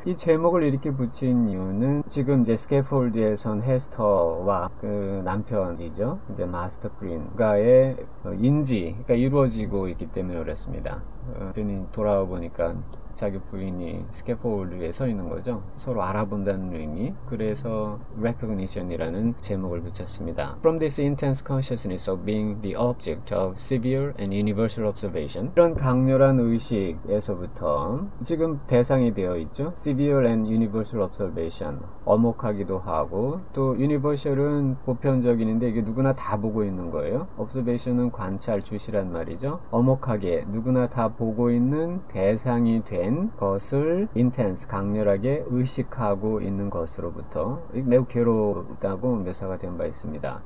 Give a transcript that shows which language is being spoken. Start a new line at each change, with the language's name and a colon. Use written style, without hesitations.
Korean: 이 제목을 이렇게 붙인 이유는 지금 이제 스캐폴드에 선 헤스터와 그 남편이죠. 이제 마스터 브린과의 인지가 이루어지고 있기 때문에 그렇습니다. 브린이 돌아와 보니까 자기 부인이 스캐폴드 위에 서 있는 거죠. 서로 알아본다는 의미. 그래서 recognition이라는 제목을 붙였습니다.
English: From this intense consciousness of being the object of severe and universal observation.
Korean: 이런 강렬한 의식에서부터 지금 대상이 되어 있죠.
English: Severe and universal observation.
Korean: 어목하기도 하고 또 universal은 보편적인데 이게 누구나 다 보고 있는 거예요. Observation은 관찰, 주시란 말이죠. 어목하게 누구나 다 보고 있는 대상이 된 것을 intense, 강렬하게 의식하고 있는 것으로부터 매우 괴롭다고 묘사가 된바 있습니다.